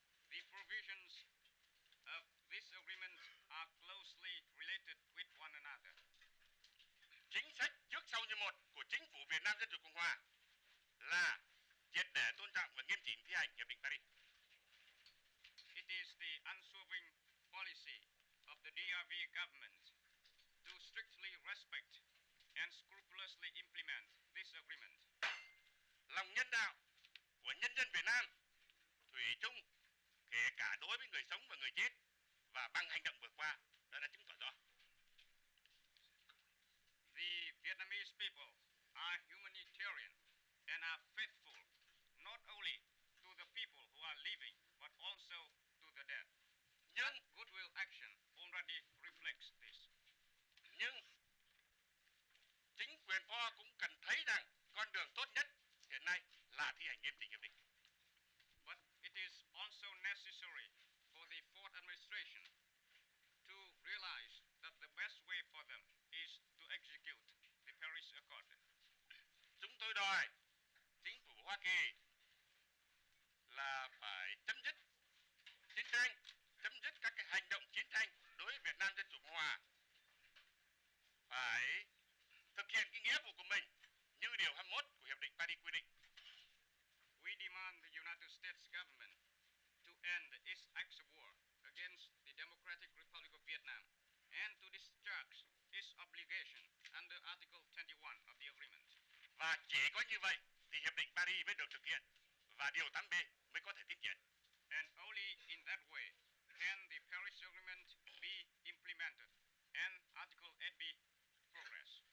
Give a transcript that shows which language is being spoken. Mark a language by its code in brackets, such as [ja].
[en] The provisions of this agreement are closely related with one another. [vi] Chính sách trước sau như một của chính phủ Việt Nam Dân chủ Cộng hòa là triệt để tôn trọng và nghiêm chỉnh thi hành Hiệp định Paris. [en] It is the unswerving policy of the DRV government to strictly respect and scrupulously implement this agreement. [vi] Lòng nhân đạo của nhân dân Việt Nam thủy chung, kể cả đối với người sống và người chết, và bằng hành động vừa qua đã chứng tỏ rõ. [en] The Vietnamese people are humanitarian and are faithful not only to the people who are living but also to the dead. [vi] Nhưng [en] goodwill action already reflects this. [vi] Nhưng chính quyền Po cũng cần thấy rằng con đường tốt nhất hiện nay là thi hành nghiêm chỉnh hiệp định. [en] But it is also necessary for the Ford administration to realize that the best way for them is to execute the Paris Accord. [vi] Chúng tôi đòi chính phủ Hoa Kỳ là phải chấm dứt chiến tranh, chấm dứt các cái hành động chiến tranh đối với Việt Nam Dân chủ Cộng hòa, phải thực hiện cái nghĩa vụ của mình như điều 21 của Hiệp định Paris quy định. [en] We demand the United States government to end its acts of war against the Democratic Republic of Vietnam and to discharge its obligation under Article 21 of the agreement. [vi] Và chỉ có như vậy thì Hiệp định Paris mới được thực hiện và điều 8B mới có thể tiến triển. [en] And only in that way can the Paris Agreement be implemented and Article 8B progress.